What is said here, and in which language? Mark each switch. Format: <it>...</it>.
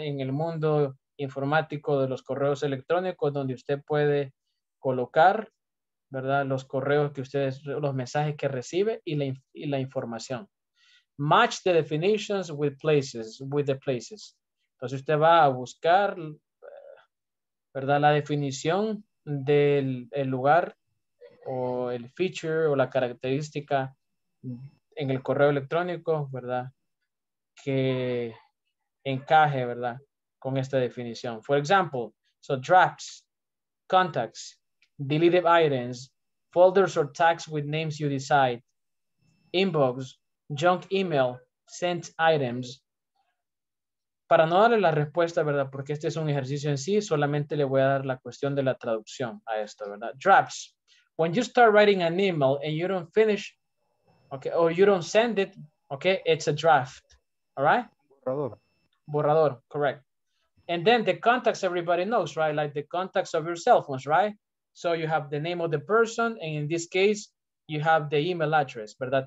<es>En el mundo informático de los correos electrónicos donde usted puede colocar, ¿verdad? Los correos que ustedes, los mensajes que recibe y la información.</es> <en>Match the definitions with places, with the places.</en> <es>Entonces usted va a buscar, ¿verdad? La definición del el lugar o el feature o la característica en el correo electrónico, ¿verdad? Que encaje, ¿verdad? Con esta definición.</es> <en>For example, so drafts, contacts, deleted items, folders or tags with names you decide, inbox, junk email, sent items.</en> <es>Para no darle la respuesta, ¿verdad? Porque este es un ejercicio en sí, solamente le voy a dar la cuestión de la traducción a esto, ¿verdad?</es> <en>Drafts. When you start writing an email and you don't finish, okay, or you don't send it, okay, it's a draft, all right?</en> <es>Borrador.</es> <en>Borrador, correct. And then the contacts everybody knows, right? Like the contacts of your cell phones, right? So you have the name of the person, and in this case, you have the email address,</en> <es>¿verdad?</es>